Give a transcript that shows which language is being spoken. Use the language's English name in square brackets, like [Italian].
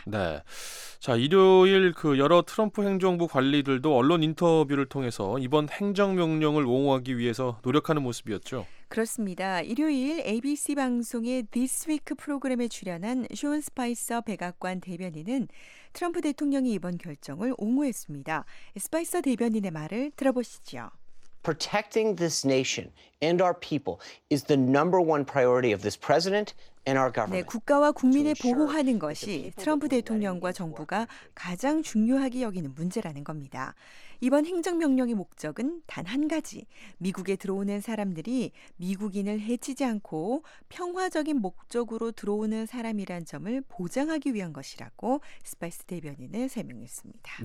[Korean] 네, 자 일요일 그 여러 트럼프 행정부 관리들도 언론 인터뷰를 통해서 이번 행정명령을 옹호하기 위해서 노력하는 모습이었죠. 그렇습니다. 일요일 ABC 방송의 This Week 프로그램에 출연한 숀 스파이서 백악관 대변인은 트럼프 대통령이 이번 결정을 옹호했습니다. 스파이서 대변인의 말을 들어보시죠. [English] Protecting this nation and our people is the number one priority of this president and our government. [Korean] 네, 국가와 국민을 보호하는 것이 트럼프 대통령과 정부가 가장 중요하게 여기는 문제라는 겁니다. 이번 행정명령의 목적은 단 한 가지, 미국에 들어오는 사람들이 미국인을 해치지 않고 평화적인 목적으로 들어오는 사람이란 점을 보장하기 위한 것이라고 스파이스 대변인은 설명했습니다.